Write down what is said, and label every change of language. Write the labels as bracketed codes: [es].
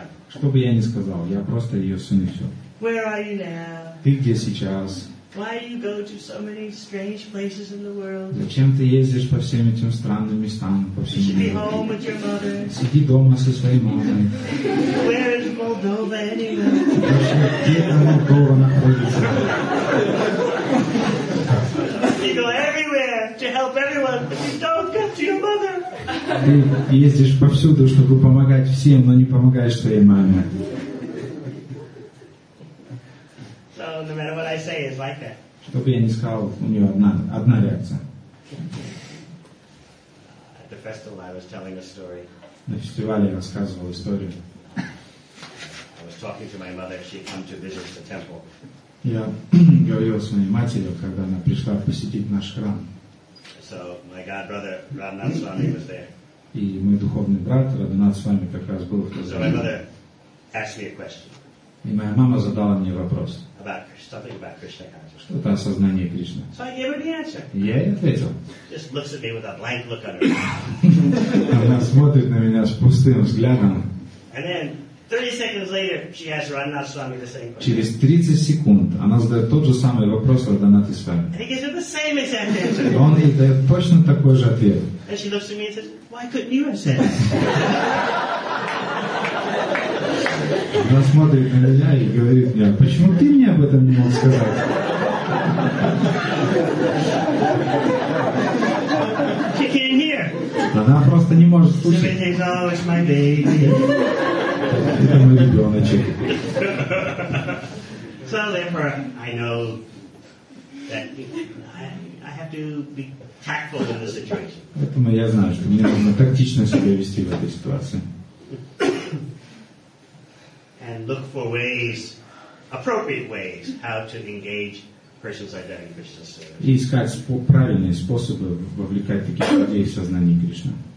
[ru] Что бы я ни сказал, я просто ее сын и все. [en] Where are you now? [ru] Ты где сейчас? [en] Why do you go to so many strange places in the world? [ru] Зачем ты ездишь по всем этим странным местам, по всему миру? [en] You should be home with your mother. [ru] Сиди дома со своей мамой. [en] Where is Moldova anyway? [ru] Вообще, где там Молдова находится? [en] You go everywhere to help everyone, but you don't come to your mother. [ru] Ты ездишь повсюду, чтобы помогать всем, но не помогаешь своей маме. [en] So, no matter what I say, it's like that. [ru] Чтобы я не сказал, у нее одна реакция. [en] At the festival, I was telling a story. [ru] На фестивале я рассказывал историю. [en] I was talking to my mother. She had come to visit the temple. [ru] Я говорил с моей матерью, когда она пришла посетить наш храм. [en] So my god brother Radhanath Swami was there. [ru] И мой духовный брат Радханат Свами как раз был в то время. [en] So my mother asked me a question. [ru] И моя мама задала мне вопрос. [en] About something about Krishna consciousness. [ru] Что-то о сознании Кришны. [en] So I gave her the answer. [ru] И я ей ответил. [en] Just looks at me with a blank look on her face. [ru] Она смотрит на меня с пустым взглядом. [en] And then 30 seconds later, she asked Radhanath Swami the same question. [ru] Через 30 секунд она задает тот же самый вопрос Радханате Свами. [en] And he gives her the same exact answer. [ru] Он ей дает точно такой же ответ. [en] And she looks at me and says, "Why couldn't you have said that?" [ru] Она смотрит на меня и говорит мне, "Почему ты мне об этом не мог сказать?" [en] She can't hear. [ru] Она просто не может слушать. [en] Seven days old, it's my baby. [ru] Это мой ребеночек. [en] So therefore, I know that I have to be tactful in the situation. [ru] Поэтому я знаю, что мне нужно тактично себя вести в этой ситуации. [en] And look for ways, appropriate ways, how to engage persons identifying Krishna service. [ru] И искать правильные способы вовлекать таких людей в сознание Кришны.